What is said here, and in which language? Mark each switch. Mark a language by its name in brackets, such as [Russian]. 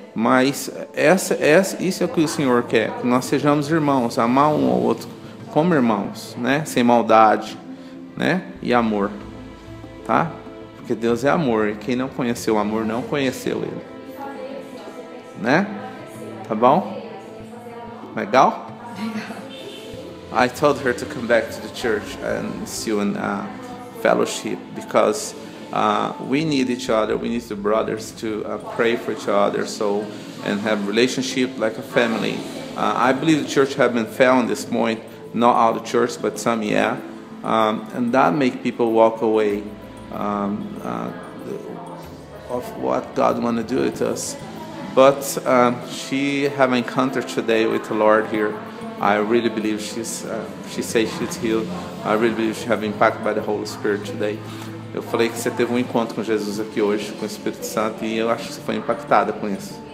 [Portuguese] Mas isso é o que o Senhor quer: que nós sejamos irmãos, amar um ao outro como irmãos, né? Sem maldade, né? E amor. Tá? Porque Deus é amor e quem não conheceu o amor não conheceu ele, né? Tá bom? Legal? [English] I told her to come back to the church and see you in fellowship because we need each other, we need the brothers to pray for each other so and have relationship like a family. I believe the church have been failing this point, not all the church, but some, yeah. And that make people walk away of what God want to do with us. But she have an encounter today with the Lord here. I really believe she says she's healed. I really believe she have impacted by the Holy Spirit today. [Portuguese] Eu falei que você teve um encontro com Jesus aqui hoje, com o Espírito Santo, e eu acho que você foi impactada com isso.